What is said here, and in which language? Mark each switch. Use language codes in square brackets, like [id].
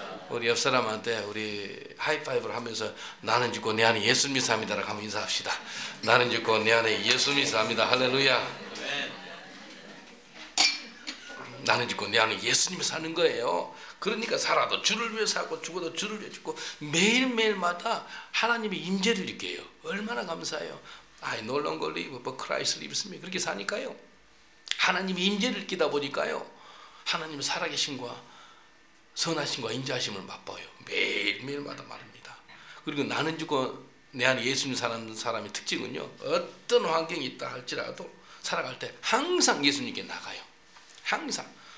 [ko] 우리 옆 사람한테 우리 하이파이브를 하면서 나는 죽고 내 안에 예수님이 삽니다라고 한번 인사합시다. 나는 죽고 내 안에 예수님이 삽니다. 할렐루야. 나는 죽고 내 안에 예수님이 사는 거예요. 그러니까 살아도 주를 위해 살고 죽어도 주를 위해 죽고 매일매일마다 하나님의 임재를 느껴요. 얼마나 감사해요. [en] I no longer live but Christ lives me. [ko] 그렇게 사니까요. 하나님의 임재를 느끼다 보니까요. 하나님의 살아계신과 선하심과 인자하심을 맛봐요. 매일매일마다 말입니다. 그리고 나는 죽고 내 안에 예수님 사는 사람의 특징은요. 어떤 환경이 있다 할지라도 살아갈 때 항상 예수님께 나가요. 항상.